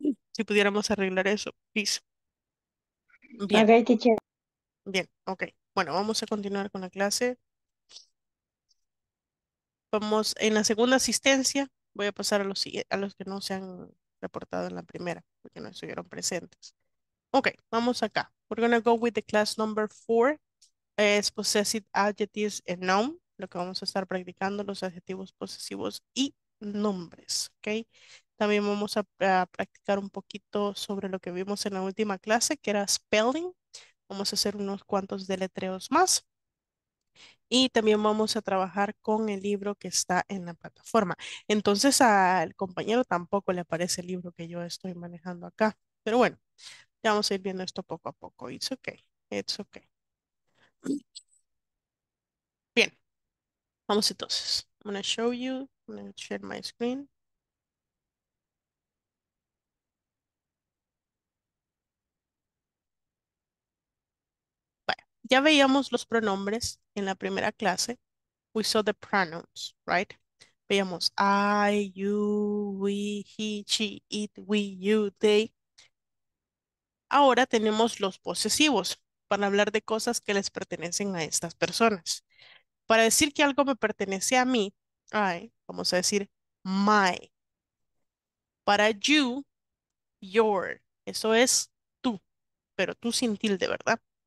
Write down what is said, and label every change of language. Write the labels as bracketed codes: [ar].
[es] Si pudiéramos arreglar eso, please. Bien. [en] Okay, teacher. [es] Bien, ok. Bueno, vamos a continuar con la clase. Vamos en la segunda asistencia. Voy a pasar a los que no se han reportado en la primera, porque no estuvieron presentes. Ok, vamos acá. [en] We're gonna go with the class number four. Es possessive adjectives and noun. [es] Lo que vamos a estar practicando, los adjetivos posesivos y nombres. Ok. También vamos a practicar un poquito sobre lo que vimos en la última clase, que era spelling. Vamos a hacer unos cuantos deletreos más. Y también vamos a trabajar con el libro que está en la plataforma. Entonces al compañero tampoco le aparece el libro que yo estoy manejando acá. Pero bueno, ya vamos a ir viendo esto poco a poco. [en] It's okay. It's okay. [es] Bien. Vamos entonces. [en] I'm gonna share my screen. [es] Ya veíamos los pronombres en la primera clase. [en] We saw the pronouns, right? [es] Veíamos I, you, we, he, she, it, we, you, they. Ahora tenemos los posesivos para hablar de cosas que les pertenecen a estas personas. Para decir que algo me pertenece a mí, I, vamos a decir my. Para you, your. Eso es tú, pero tú sin tilde, ¿verdad?